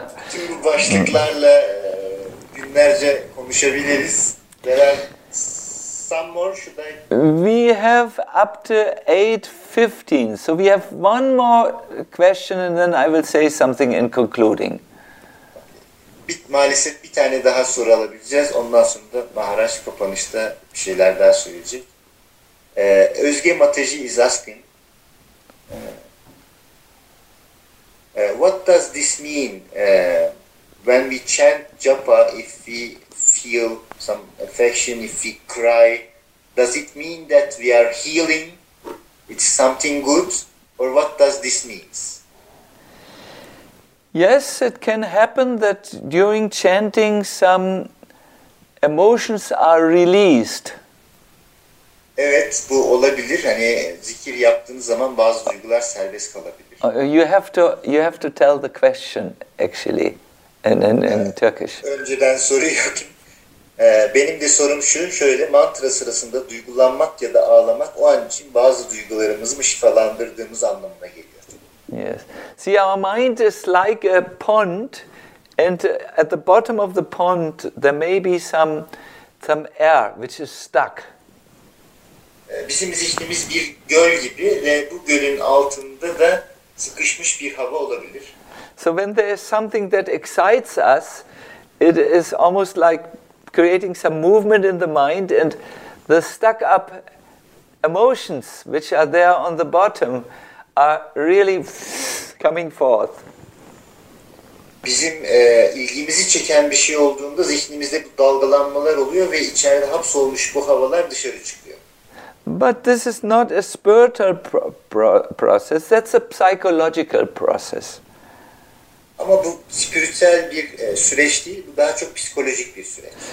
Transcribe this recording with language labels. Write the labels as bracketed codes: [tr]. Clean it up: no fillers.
[tr] tüm bu başlıklarla günlerce konuşabiliriz. [en] There are some more, should I? We have up to 8:15. So we have one more question and then I will say something in concluding. [tr] Maalesef bir tane daha soru alabileceğiz. Ondan sonra da Maharaj kapanışta bir şeyler daha söyleyecek. [en] Özge Mateji is asking, what does this mean when we chant japa, if we feel some affection, if we cry, does it mean that we are healing? It's something good? Or what does this mean? Yes, it can happen that during chanting some emotions are released. [tr] Evet, bu olabilir. Hani zikir yaptığınız zaman bazı duygular serbest kalabilir. [en] You have to tell the question actually in Turkish. [tr] Önceden soruyordum. Benim de sorum şu, şöyle: mantra sırasında duygulanmak ya da ağlamak o an için bazı duygularımızı şifalandırdığımız anlamına geliyor. [en] Yes. See, our mind is like a pond, and at the bottom of the pond there may be some some air which is stuck. [tr] Bizim zihnimiz bir göl gibi ve bu gölün altında da sıkışmış bir hava olabilir. [en] So when there is something that excites us, it is almost like creating some movement in the mind, and the stuck up emotions which are there on the bottom are really coming forth. [tr] Bizim ilgimizi çeken bir şey olduğunda zihnimizde bu dalgalanmalar oluyor ve içeride hapsolmuş bu havalar dışarı çıkıyor. [en] But this is not a spiritual process, that's a psychological process. [tr] Ama bu spiritüel bir süreç değil, bu daha çok psikolojik bir süreç.